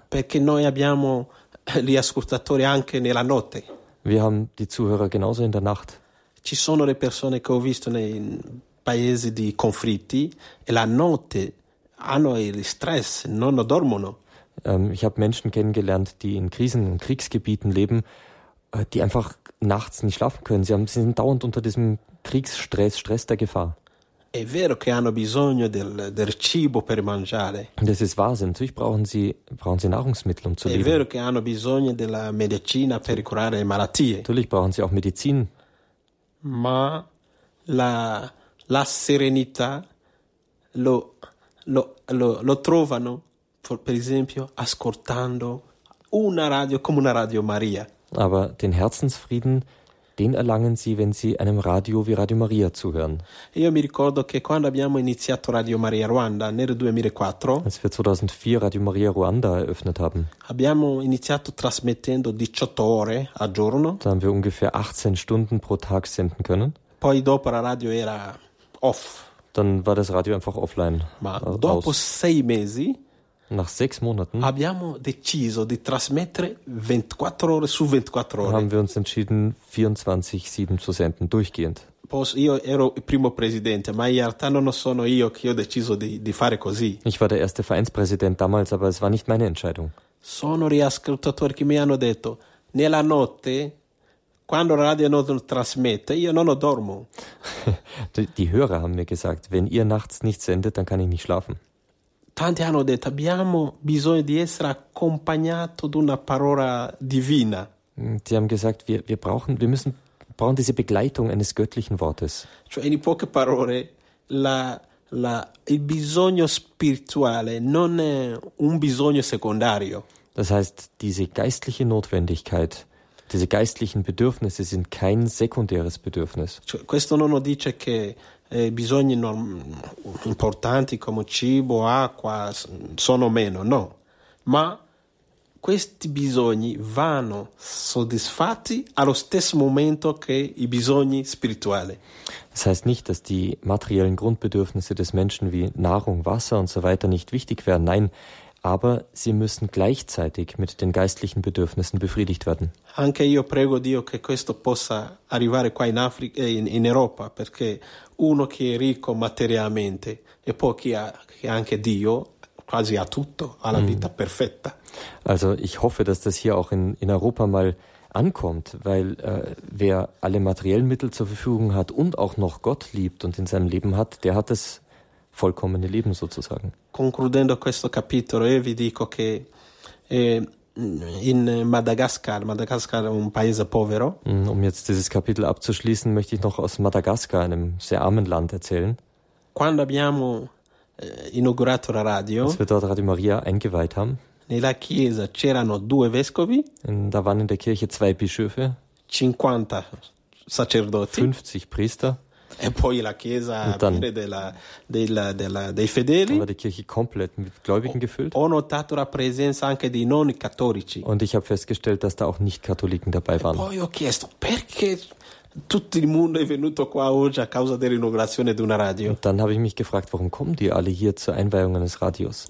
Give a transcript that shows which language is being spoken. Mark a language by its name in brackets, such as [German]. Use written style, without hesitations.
[Italian] Perché noi abbiamo gli ascoltatori anche nella notte. [German] Wir haben die Zuhörer genauso in der Nacht. [Italian] Ci sono le persone che ho visto nei paesi di conflitti e la notte hanno il stress, non dormono. [German] Ich habe Menschen kennengelernt, die in Krisen und Kriegsgebieten leben, die einfach nachts nicht schlafen können. Sie sind dauernd unter diesem Kriegsstress, Stress der Gefahr. [Italian] È vero che hanno bisogno del cibo per mangiare. [German] Das ist wahr, natürlich brauchen sie Nahrungsmittel, um zu leben. [Italian] È vero che hanno bisogno della medicina per curare le malattie. [German] Natürlich brauchen sie auch Medizin. [Italian] Ma la serenità lo trovano, per esempio, ascoltando una radio come una Radio Maria. [German] Aber den Herzensfrieden, den erlangen sie, wenn sie einem Radio wie Radio Maria zuhören. [Italian] Io mi ricordo che quando abbiamo iniziato Radio Maria Ruanda nel 2004, [German] als wir 2004 Radio Maria Ruanda eröffnet haben, [Italian] abbiamo iniziato trasmettendo 18 ore al giorno. [German] Da haben wir ungefähr 18 Stunden pro Tag senden können. [Italian] Poi dopo la radio era off. [German] Dann war das Radio einfach offline. [Italian] Ma dopo sei mesi, [German] nach 6 Monaten, [Italian] abbiamo deciso di trasmettere 24 ore su 24 ore. [German] Haben wir uns entschieden, 24/7 zu senden, durchgehend. [Italian] Io ero il primo presidente, ma in realtà non sono io che ho deciso di fare così. [German] Ich war der erste Vereinspräsident damals, aber es war nicht meine Entscheidung. [Italian] Sono gli ascoltatori che mi hanno detto, nella notte, quando la radio non trasmette, io non dormo. [German] Die Hörer haben mir gesagt, wenn ihr nachts nicht sendet, dann kann ich nicht schlafen. [Italian] Tanti hanno detto, abbiamo bisogno di essere accompagnato da una parola divina. [German] Sie haben gesagt, wir brauchen diese Begleitung eines göttlichen Wortes. [Italian] Cioè, in poche parole, il bisogno spirituale non è un bisogno secondario. [German] Das heißt, diese geistliche Notwendigkeit, diese geistlichen Bedürfnisse sind kein sekundäres Bedürfnis. [Italian] Cioè, questo non dice che bisogni importanti come cibo, acqua, sono meno, no. Ma questi bisogni vanno soddisfatti allo stesso momento che i bisogni spirituali. [German] Das heißt nicht, dass die materiellen Grundbedürfnisse des Menschen wie Nahrung, Wasser und so weiter nicht wichtig wären. Nein, aber sie müssen gleichzeitig mit den geistlichen Bedürfnissen befriedigt werden. [Italian] Anche io prego Dio che questo possa arrivare qua in Africa, in Europa, perché uno che è ricco materialmente e poi chi ha anche Dio quasi ha tutto, ha la vita perfetta. [German] Also ich hoffe, dass das hier auch in Europa mal ankommt, weil wer alle materiellen Mittel zur Verfügung hat und auch noch Gott liebt und in seinem Leben hat, der hat das vollkommene Leben sozusagen. [Italian] Concludendo questo capitolo, io vi dico che in Madagascar è un paese povero. [German] Um jetzt dieses Kapitel abzuschließen, möchte ich noch aus Madagaskar, einem sehr armen Land, erzählen. [Italian] Quando abbiamo inaugurato la radio, [German] als wir dort Radio Maria eingeweiht haben, [Italian] nella chiesa c'erano due vescovi. [German] Da waren in der Kirche zwei Bischöfe. [Italian] 50 sacerdoti. [German] 50 Priester. [Italian] E poi la chiesa dei fedeli. [German] Dann war die Kirche komplett mit Gläubigen gefüllt. [Italian] Ho notato la presenza anche dei non cattolici. [German] Und ich habe festgestellt, dass da auch nicht Katholiken dabei waren. [Italian] E poi ho chiesto perché tutto il mondo è venuto qua oggi a causa dell'inaugurazione di una radio. [German] Und dann habe ich mich gefragt, warum kommen die alle hier zur Einweihung eines Radios?